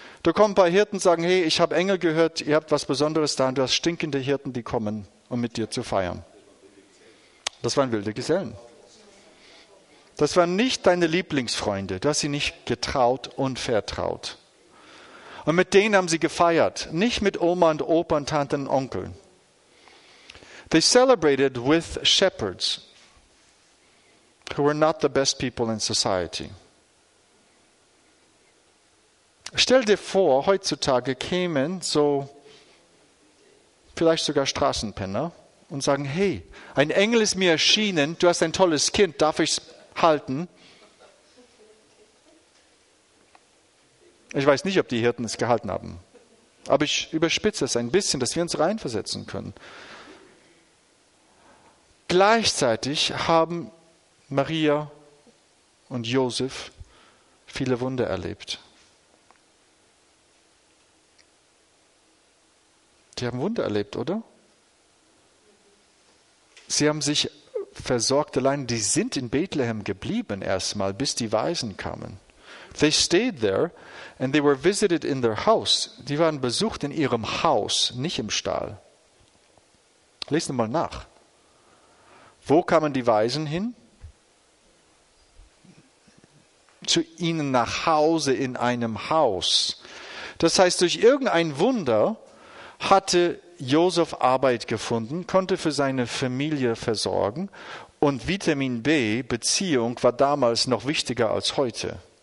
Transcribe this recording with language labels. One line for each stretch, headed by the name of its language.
German: Da kommen ein paar Hirten und sagen, hey, ich habe Engel gehört, ihr habt was Besonderes da. Und du hast stinkende Hirten, die kommen, um mit dir zu feiern. Das waren wilde Gesellen. Das waren nicht deine Lieblingsfreunde. Du hast sie nicht getraut und vertraut. Und mit denen haben sie gefeiert. Nicht mit Oma und Opa und Tanten und Onkeln.
English: They celebrated with shepherds who were not the best people in society.
German: Stell dir vor, heutzutage kämen so vielleicht sogar Straßenpenner und sagen, hey, ein Engel ist mir erschienen, du hast ein tolles Kind, darf ich es halten? Ich weiß nicht, ob die Hirten es gehalten haben. Aber ich überspitze es ein bisschen, dass wir uns reinversetzen können. Gleichzeitig haben Maria und Josef viele Wunder erlebt. Die haben Wunder erlebt, oder? Sie haben sich versorgt allein. Die sind in Bethlehem geblieben erstmal, bis die Weisen kamen.
English: They stayed there and they were visited in their house.
German: Die waren besucht in ihrem Haus, nicht im Stall. Lest mal nach. Wo kamen die Weisen hin? Zu ihnen nach Hause in einem Haus. Das heißt, durch irgendein Wunder hatte Josef Arbeit gefunden, konnte für seine Familie versorgen und Vitamin B, Beziehung, war damals noch wichtiger als heute.